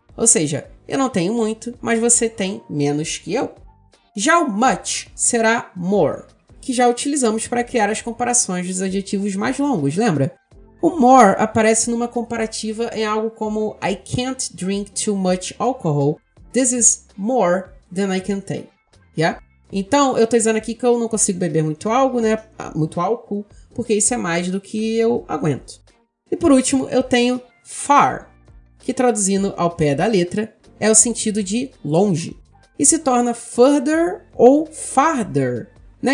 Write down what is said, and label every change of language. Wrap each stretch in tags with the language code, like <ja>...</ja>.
<pt>Ou seja, eu não tenho muito, mas você tem menos que eu. Já o much será more, que já utilizamos para criar as comparações dos adjetivos mais longos, lembra? O more aparece numa comparativa em algo como</pt> <en>I can't drink too much alcohol. This is more than I can take, yeah?</en> <pt>Então, eu estou dizendo aqui que eu não consigo beber muito algo, né? Muito álcool, porque isso é mais do que eu aguento. E por último, eu tenho far, que traduzindo ao pé da letra, é o sentido de longe. E se torna further ou farther, né?</pt>